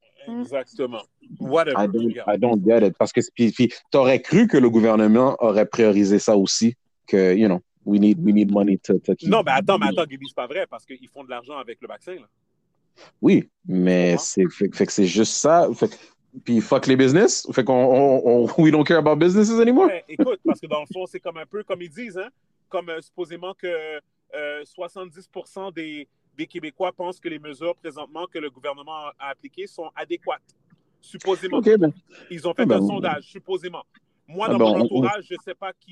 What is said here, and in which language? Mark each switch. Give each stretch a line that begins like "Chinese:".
French: Exactement.
English: Whatever. I don't get it.
French: Parce que t'aurais cru que le gouvernement aurait priorisé ça aussi, que,
English: you know, we need money to keep...
French: Non, mais attends, Gaby, c'est pas vrai, parce qu'ils font de l'argent avec le vaccin, là. Oui, mais fait que c'est juste ça. Puis fuck les business. Fait qu'on
English: we don't care about businesses anymore.
French: Ouais, écoute, parce que dans le fond, c'est comme un peu comme ils disent, hein, comme supposément que 70% des Québécois pensent que les mesures présentement que le gouvernement a appliquées sont adéquates. Supposément. Okay, ben, ils ont fait un sondage, supposément. Moi, dans mon entourage, je ne sais pas qui